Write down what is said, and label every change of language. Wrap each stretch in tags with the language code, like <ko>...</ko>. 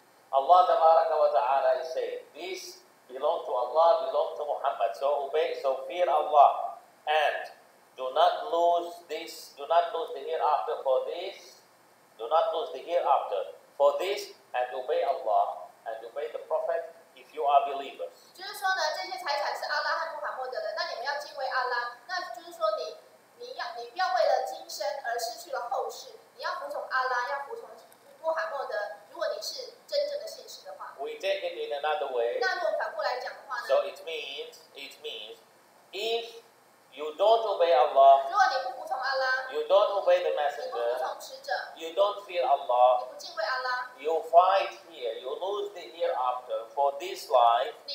<en>Allah tabaraka wa ta'ala is saying, this belong to Allah, belong to Muhammad. So obey, so fear Allah. And do not lose this, do not lose the hereafter for this. Do not lose the hereafter for this and obey Allah and obey the Prophet if you are believers.</en> <zh>就是说呢，这些财产是阿拉和穆罕默德的。那你们要敬畏阿拉。那就是说你要你不要为了今生而失去了后世，你要服从阿拉，要服从穆罕默德。如果你是真正的信使的话。</zh> <en>We take it in another way.</en> <zh>那如果反过来讲的话呢？</zh> <en>So it means if you don't obey Allah, you don't obey the Messenger, you don't fear Allah, you fight here, you lose the hereafter for this life.</en>